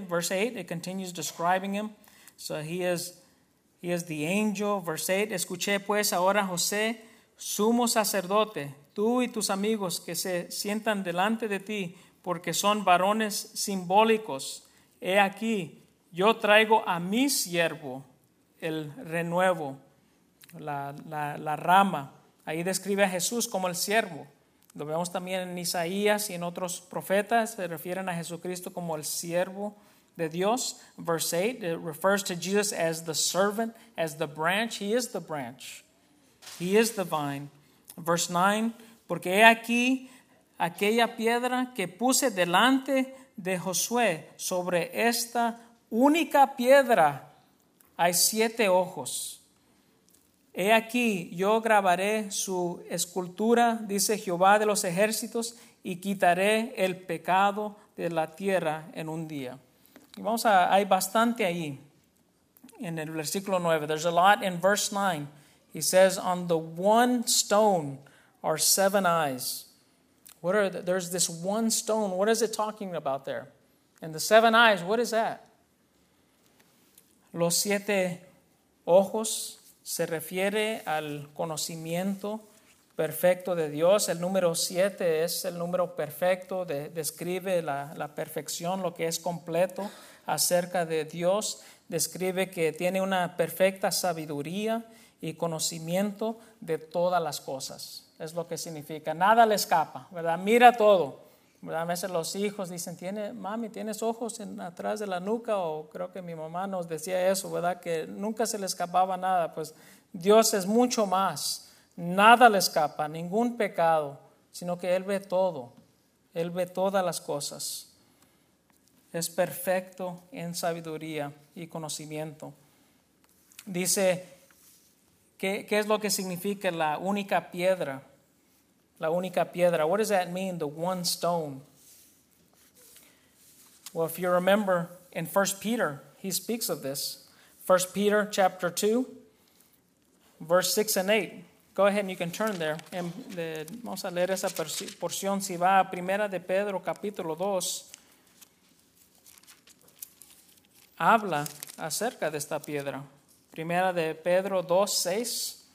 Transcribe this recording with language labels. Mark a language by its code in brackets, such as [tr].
[en] Verse 8, it continues describing him. So he is the angel. Verse 8, [es] escuché pues ahora José, sumo sacerdote, tú y tus amigos que se sientan delante de ti, porque son varones simbólicos. He aquí, yo traigo a mi siervo el renuevo, la rama. Ahí describe a Jesús como el siervo. Lo vemos también en Isaías y en otros profetas, se refieren a Jesucristo como el siervo de Dios. [en] Verse 8, it refers to Jesus as the servant, as the branch. He is the branch. He is the vine. Verse 9, [es] porque he aquí aquella piedra que puse delante de Josué, sobre esta única piedra hay siete ojos. He aquí, yo grabaré su escultura, dice Jehová de los ejércitos, y quitaré el pecado de la tierra en un día. Y vamos a, hay bastante ahí en el versículo 9. [en] There's a lot in verse 9. He says, on the one stone are seven eyes. There's this one stone. What is it talking about there? And the seven eyes, what is that? [es] Los siete ojos. Se refiere al conocimiento perfecto de Dios. El número siete es el número perfecto. Describe la perfección, lo que es completo acerca de Dios. Describe que tiene una perfecta sabiduría y conocimiento de todas las cosas. Es lo que significa. Nada le escapa, ¿verdad? Mira todo, ¿verdad? A veces los hijos dicen, ¿tienes ojos atrás de la nuca? O creo que mi mamá nos decía eso, ¿verdad? Que nunca se le escapaba nada. Pues Dios es mucho más. Nada le escapa, ningún pecado, sino que Él ve todo. Él ve todas las cosas. Es perfecto en sabiduría y conocimiento. Dice, ¿qué es lo que significa la única piedra? La única piedra. [en] What does that mean, the one stone? Well, if you remember, in 1 Peter, he speaks of this. 1 Peter chapter 2, verse 6 and 8. Go ahead and you can turn there. [es] Vamos a leer esa porción. Si va a 1 de Pedro capítulo 2, habla acerca de esta piedra. 1 de Pedro 2, 6.